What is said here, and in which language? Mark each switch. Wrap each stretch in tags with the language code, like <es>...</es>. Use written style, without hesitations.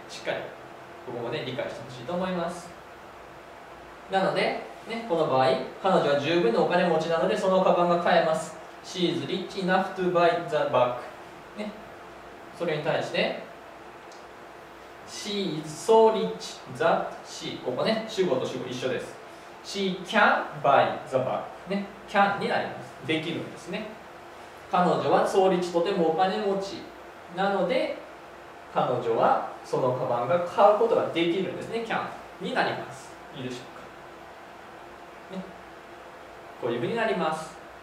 <ja>しっかりここまで理解してほしいと思います。なので、ね、この場合彼女は十分のお金持ちなのでそのカバンが買えます。</ja> <en>She is rich enough to buy the bag、</en> <ja>ね、それに対して</ja> <en>She is so rich that she、</en> <ja>ここね、主語と主語一緒です。</ja> <en>She can buy the bag、ね、can になります。</en> <ja>できるんですね。彼女は</ja> <en>so rich、</en> <ja>とてもお金持ちなので、彼女はそのカバンが買うことができるんですね。 can になります。いいでしょうか、ね、こういう風になります。</ja>